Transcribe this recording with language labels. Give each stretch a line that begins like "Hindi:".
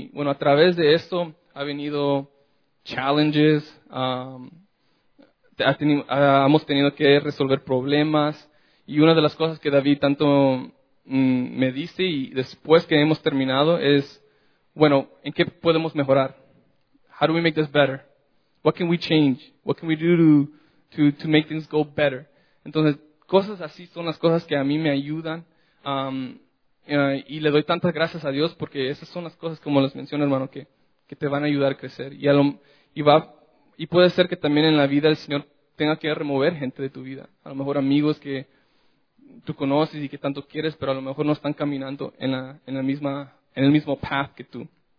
Spanish: Y bueno, a través de eso ha venido challenges, hemos tenido que resolver problemas. Y una de las cosas que David tanto me dice y después que hemos terminado es, bueno, ¿en qué podemos mejorar?
English: How do we make this better? What can we change? What can we do to make things go better?
Spanish: Entonces, cosas así son las cosas que a mí me ayudan. Y le doy tantas gracias a Dios porque esas son las cosas, como les menciono, hermano, que te van a ayudar a crecer. Y puede ser que también en la vida el Señor tenga que remover gente de tu vida. A lo mejor amigos que tú conoces y que tanto quieres, pero a lo mejor no están caminando en el mismo path que tú.